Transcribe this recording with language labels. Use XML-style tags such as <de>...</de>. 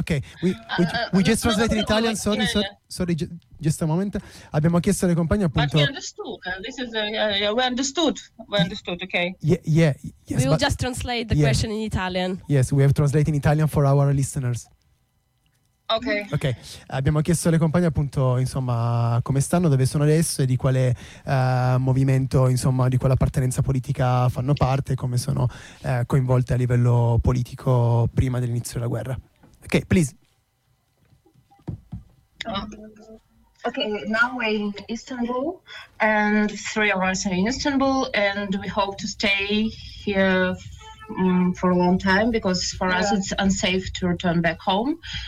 <en>Okay, we just translated in Italian. Sorry, just a moment.</en> <it>Abbiamo chiesto alle compagne appunto.</it> <en>But we understood. This is we understood. Okay. Yeah. Yes, we will just translate the question in Italian. Yes, we have translated in Italian for our listeners. Okay.</en> <it>Abbiamo chiesto alle compagne appunto, insomma, come stanno, dove sono adesso e di quale movimento, insomma, di quale appartenenza politica fanno parte, come sono coinvolte a livello politico prima dell'inizio della guerra.</it> <en>Okay, please. Okay, now we're in Istanbul, and three of us are in Istanbul, and we hope to stay here for a long time, because for us it's unsafe to return back home.</en>